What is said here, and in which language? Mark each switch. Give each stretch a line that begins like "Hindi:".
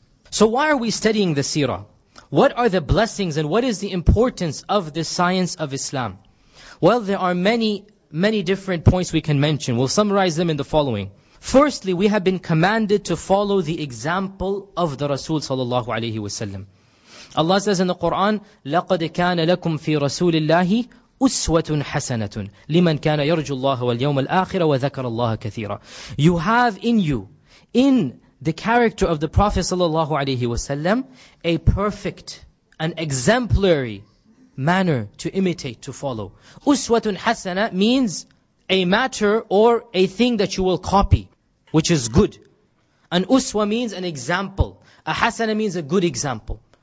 English: So why are we studying the seerah? What are the blessings and what is the importance of the science of Islam? Well, there are many, many different points we can mention. We'll summarize them in the following. Firstly, we have been commanded to follow the example of the Rasul sallallahu alaihi wasallam. Allah says in the Quran,
Arabic: لَقَدْ كَانَ لَكُمْ فِي رَسُولِ اللَّهِ أُسْوَةٌ حَسَنَةٌ لِمَنْ كَانَ يَرْجُ اللَّهَ وَالْيَوْمَ الْآخِرَ وَذَكَرَ اللَّهَ كَثِيرًا.
English: You have in you, in the character of the Prophet sallallahu alaihi wasallam, a perfect, an exemplary manner to imitate, to follow.
Arabic: أُسْوَةٌ حَسَنَةٌ
English: means a matter or a thing that you will copy, which is good. An uswa means an example. A hasana means a good example.